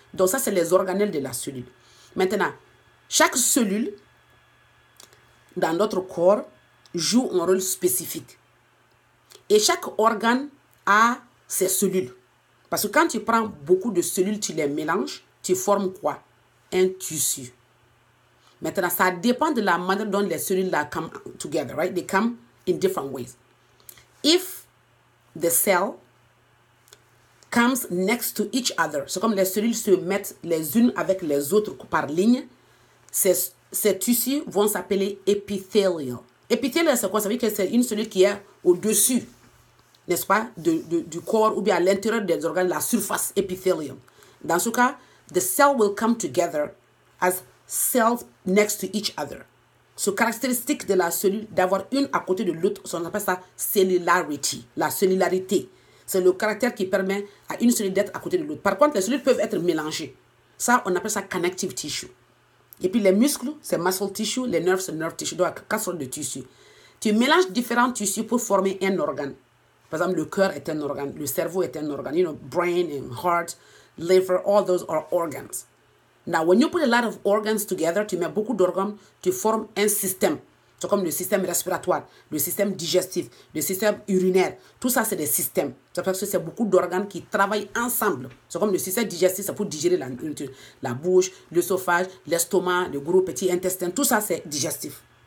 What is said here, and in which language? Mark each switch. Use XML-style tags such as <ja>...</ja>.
<fr>Donc ça, c'est les organelles de la cellule. Maintenant, chaque cellule dans notre corps joue un rôle spécifique. Et chaque organe a ses cellules. Parce que quand tu prends beaucoup de cellules, tu les mélanges, tu formes quoi? Un tissu. Maintenant, ça dépend de la manière dont les cellules come together, right?</fr> <en>They come in different ways. If the cell comes next to each other.</en> <fr>C'est comme les cellules se mettent les unes avec les autres par ligne. Ces tissus vont s'appeler épithélial. Épithélial, c'est quoi? Ça veut dire que c'est une cellule qui est au-dessus, n'est-ce pas, du corps ou bien à l'intérieur des organes, la surface épithélial.</fr> <en>Dans ce cas, the cell will come together as cells next to each other.</en> <fr>Ce caractéristique de la cellule, d'avoir une à côté de l'autre, on appelle ça cellularity, la cellularité. C'est le caractère qui permet à une cellule d'être à côté de l'autre. Par contre, les cellules peuvent être mélangées. Ça, on appelle ça connective tissue. Et puis les muscles, c'est muscle tissue. Les nerfs, c'est nerve tissue. Donc, quatre sortes de tissus. Tu mélanges différents tissus pour former un organe. Par exemple, le cœur est un organe. Le cerveau est un organe.</fr> <en>You know, brain and heart, liver, all those are organs. Now, when you put a lot of organs together, tu mets beaucoup d'organes, tu formes un système.</en> <fr>C'est comme le système respiratoire, le système digestif, le système urinaire. Tout ça, c'est des systèmes. C'est parce que c'est beaucoup d'organes qui travaillent ensemble. C'est comme le système digestif, c'est pour digérer la nourriture. La bouche, l'œsophage, l'estomac, le gros petit intestin, tout ça, c'est digestif.</fr>